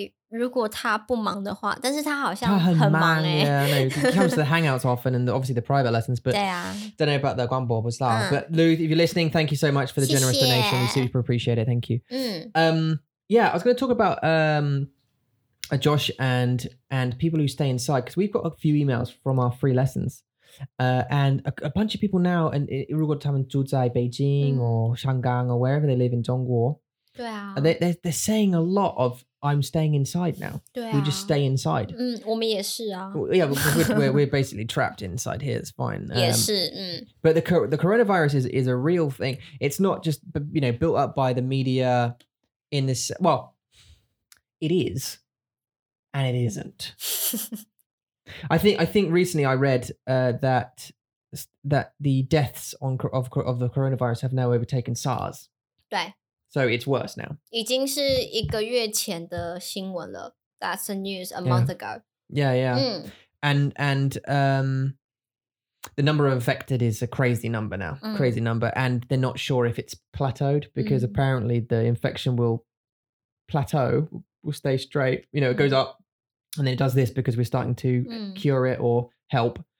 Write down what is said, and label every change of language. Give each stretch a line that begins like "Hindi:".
Chinese: 如果他不忙的话，但是他好像很忙耶。他很
English: 忙 yeah, no, he comes to the hangouts often and obviously the private lessons, but
Chinese: 对啊
English: don't know about the
Chinese: 广播不是啦。
English: But Lou, if you're listening, thank you so much for the generous
Chinese: 谢谢
English: donation. We super appreciate it. Thank you. Yeah, I was going to talk about Josh and people who stay inside, because we've got a few emails from our free lessons. And a bunch of people now, and if they live in Beijing or Shanghai or wherever they live in Zhongguo, they're saying a lot of, I'm staying inside now. We just stay inside. We're basically trapped inside here, it's fine. But the coronavirus is a real thing. It's not just, you know, built up by the media in this, well, it is, and it isn't. I think recently I read that the deaths of the coronavirus have now overtaken SARS.
Chinese: 对。
English: So it's worse now.
Chinese: 已经是一个月前的新闻了。
English: That's the news a month ago. Yeah. And the number of infected is a crazy number now. Crazy number. And they're not sure if it's plateaued because apparently the infection will plateau, will stay straight. You know, it goes up. And then it does this because we're starting to cure it or help.